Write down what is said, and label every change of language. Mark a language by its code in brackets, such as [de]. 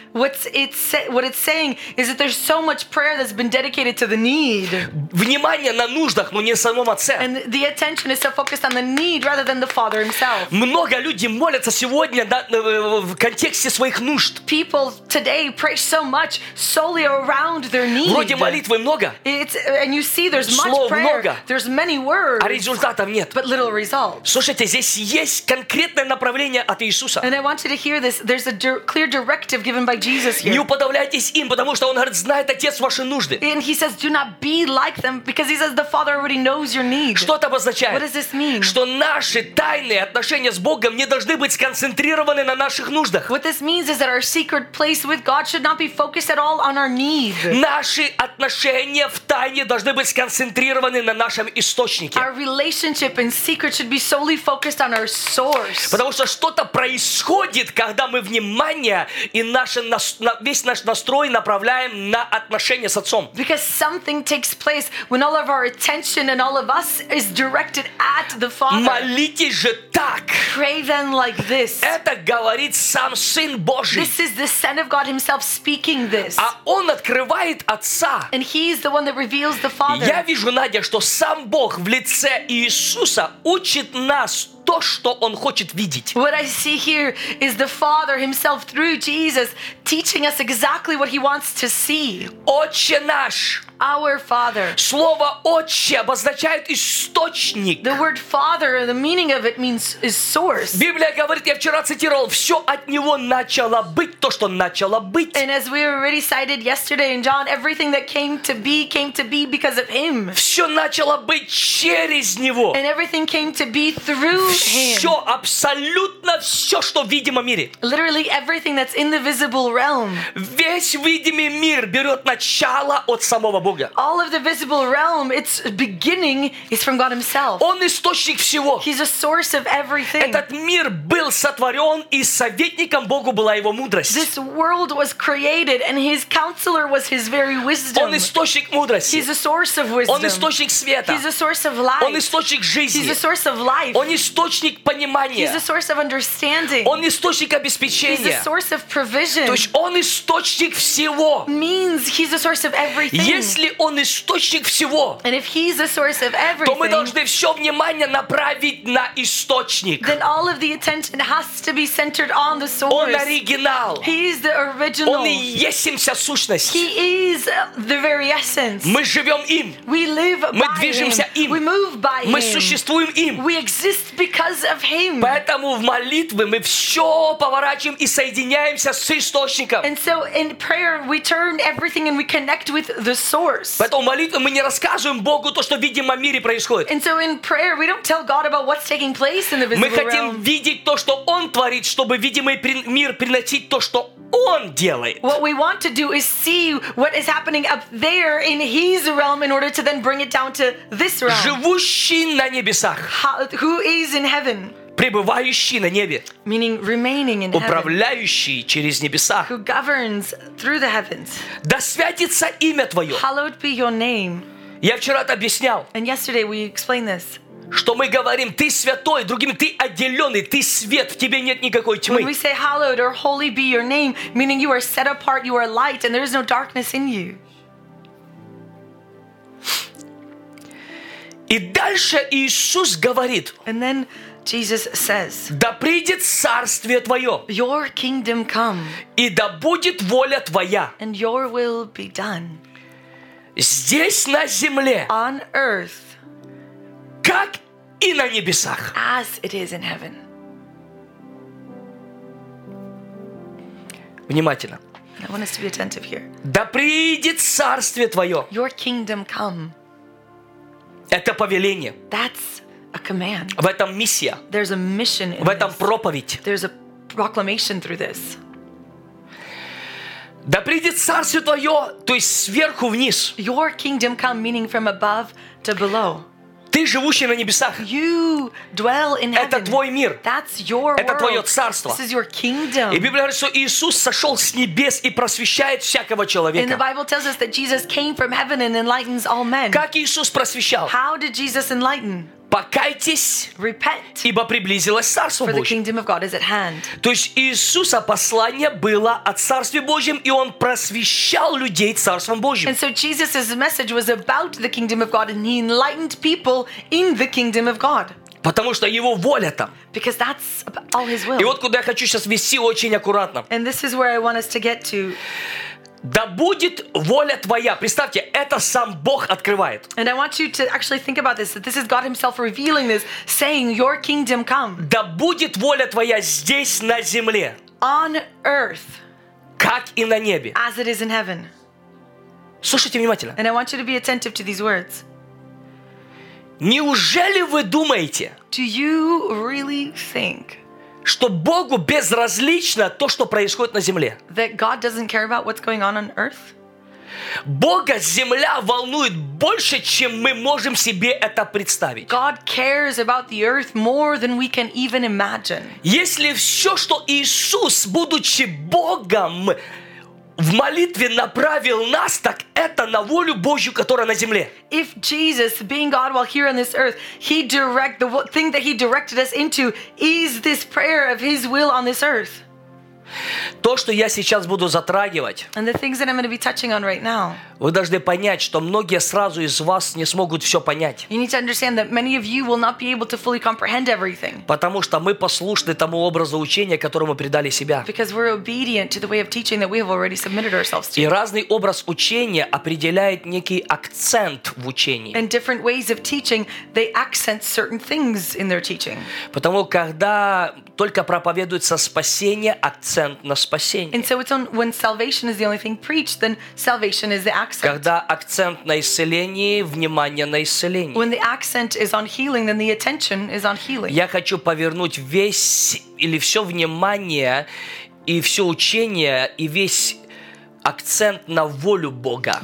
[en] What it's saying is that there's so much prayer that's been dedicated to the need. [ru] Внимание на нуждах, но не самом Отце. [en] And the attention is so focused on the need rather than the Father Himself. [ru] Много людей молятся сегодня в контексте своих нужд. [en] People today pray so much solely around their needs. [ru] Вроде молитвы много. [en] And you see there's much [ru] Слов [en] prayer. [ru] Много. [en] There's many words. [ru] А результатов нет. [en] But little results. [ru] Слушайте, здесь есть конкретное направление от Иисуса. [en] And I want you to hear this. There's a clear directive given by Jesus here. [ru] Не уподавляйтесь им, потому что он говорит, знает Отец ваши нужды. [en] And he says, do not be like them, because he says the Father already knows your needs. [ru] Что это обозначает? [en] What does this mean? [ru] Что наши тайные отношения с Богом не должны быть сконцентрированы на наших нуждах. [en] What this means is that our secret place with God should not be focused at all on our needs. [ru] Наши отношения в тайне должны быть сконцентрированы на нашем источнике. [en] Our relationship in secret should be solely focused on our source. [ru] Потому что что-то происходит, когда мы внимание и наше весь наш настрой направляем на отношения с Отцом. [en] Because something takes place when all of our attention and all of us is directed at the Father. [ru] Молитесь же так. [en] Pray then like this. [ru] Это говорит сам Сын Божий. [en] This is the Son of God Himself speaking this. [ru] А он открывает Отца. [en] And He is the one that reveals the Father. [ru] Я вижу, Надя, что сам Бог в лице Иисуса учит нас то, что он хочет видеть. [en] What I see here is the Father Himself through Jesus teaching us exactly what He wants to see. [ru] Отче наш. [en] Our Father. [ru] Слово «отче» обозначает источник. [en] The word Father, the meaning of it means is source. [ru] Библия говорит, я вчера цитировал, все от него начало быть то, что начало быть. [en] And as we already cited yesterday in John, everything that came to be because of Him. [ru] Все начало быть через него. [en] And everything came to be through Him. [ru] Все, абсолютно все, что в видимом мире. [en] Literally everything that's in the visible realm. [ru] Весь видимый мир берет начало от самого [en] All of the visible realm, its beginning is from God Himself. [ru] Он источник всего. [en] He's a source of everything. [ru] Этот мир был сотворен, и советником Богу была его мудрость. [en] This world was created, and His counselor was His very wisdom. [ru] Он источник мудрости. [en] He's a source of wisdom. [ru] Он источник света. [en] He's a source of light. [ru] Он источник жизни. [en] He's a source of life. [ru] Он источник понимания. [en] He's a source of understanding. [ru] Он источник обеспечения. [en] He's a source of provision. [ru] То есть он источник всего. [en] Means He's a source of everything. [ru] Если он источник всего, [en] And if he's the source of everything, [ru] то мы должны все внимание направить на источник. [en] Then all of the attention has to be centered on the source. [ru] Он оригинал. [en] He is the original. [ru] Он и есть вся сущность. [en] He is the very essence. [ru] Мы живем им. [en] We live [ru] мы движемся [en] him. [ru] Им. [en] We move by [ru] мы [en] him. [ru] Существуем им. [en] We exist because of him. [ru] Поэтому в молитве мы все поворачиваем и соединяемся с источником. [en] And so in prayer we turn everything and we connect with the source. [ru] Поэтому молитвы мы не рассказываем Богу то, что в видимом мире происходит. [en] And so in prayer we don't tell God about what's taking place in the visible realm. [ru] Мы хотим видеть то, что Он творит, чтобы видимый мир приносить то, что он делает. [en] What we want to do is see what is happening up there in his realm in order to then bring it down to this realm. [ru] Живущий на небесах. [en] Who is in heaven? [ru] Пребывающий на небе. [en] Meaning remaining in heaven. [ru] Управляющий через небеса. [en] Who governs through the heavens. [ru] Да святится имя твое. [en] Hallowed be your name. [ru] Я вчера это объяснял. [en] And yesterday we explained this. [ru] Что мы говорим, ты святой, другими ты отделенный, ты свет, в тебе нет никакой тьмы. [en] When we say hallowed or holy be your name, meaning you are set apart, you are light, and there is no darkness in you. [ru] И дальше Иисус говорит. [en] And then Jesus says, [ru] да придет царствие твое. [en] Your kingdom come. [ru] И да будет воля твоя. [en] And your will be done. [ru] Здесь на земле. [en] On earth. [ru] Как и на небесах. [en] As it is in heaven. [ru] Внимательно. [en] I want us to be attentive here. [ru] Да придет царствие твое. [en] Your kingdom come. [ru] Это повеление. [en] That's a command. [ru] В этом миссия. [en] There's a mission in [ru] В этом [en] this. [ru] Проповедь. [en] There's a proclamation through this. [ru] Да придет царствие твое, то есть сверху вниз. [en] Your kingdom come, meaning from above to below. [ru] Ты живущий на небесах. [en] You dwell in heaven. [ru] Это твой мир. [en] That's your world. [ru] Это твое царство. [en] This is your kingdom. [ru] И Библия говорит, что Иисус сошел с небес и просвещает всякого человека. [en] And the Bible tells us that Jesus came from heaven and enlightens all men. [ru] Как Иисус просвещал? [en] How did Jesus enlighten? [ru] Покайтесь. [en] Repent. [ru] Ибо приблизилось царство Божье. [en] For the kingdom of God is at hand. [ru] То есть Иисуса послание было о царстве Божьем, и он просвещал людей царством Божьим. [en] And so Jesus's message was about the kingdom of God, and he enlightened people in the kingdom of God. [ru] Потому что его воля там. [en] Because that's all his will. [ru] И вот куда я хочу сейчас вести очень аккуратно. [en] And this is where I want us to get to. [ru] Да будет воля твоя. Представьте, это сам Бог открывает. [en] And I want you to actually think about this, that this is God himself revealing this, saying, your kingdom come. [ru] Да будет воля твоя здесь, на земле. [en] On earth. [ru] Как и на небе. [en] As it is in heaven. [ru] Слушайте внимательно. [en] And I want you to be attentive to these words. [ru] Неужели вы думаете, [en] do you really think, [ru] что Богу безразлично то, что происходит на земле? [en] That God doesn't care about what's going on earth? [ru] Бога земля волнует больше, чем мы можем себе это представить. [en] God cares about the earth more than we can even imagine. [ru] Если все, что Иисус, будучи Богом, в молитве направил нас, так это на волю Божью, которая на земле. [en] If Jesus, being God while here on this earth, he direct the thing that he directed us into is this prayer of his will on this earth. [ru] То, что я сейчас буду затрагивать. [en] And the things that I'm going to be touching on right now. [ru] Вы должны понять, что многие сразу из вас не смогут все понять. [en] You need to understand that many of you will not be able to fully comprehend everything. [ru] Потому что мы послушны тому образу учения, которому предали себя. [en] Because we're obedient to the way of teaching that we have already submitted ourselves to. [ru] И разный образ учения определяет некий акцент в учении. [en] And different ways of teaching, they accent certain things in their teaching. [ru] Потому когда только проповедуется спасение, акцент на спасение. [en] And so it's on when salvation is the only thing preached, then salvation is the accent. [ru] Когда акцент на исцелении, внимание на исцеление. [en] When the accent is on healing, then the attention is on healing. [ru] Я хочу повернуть весь или все внимание и все учение и весь акцент на волю Бога.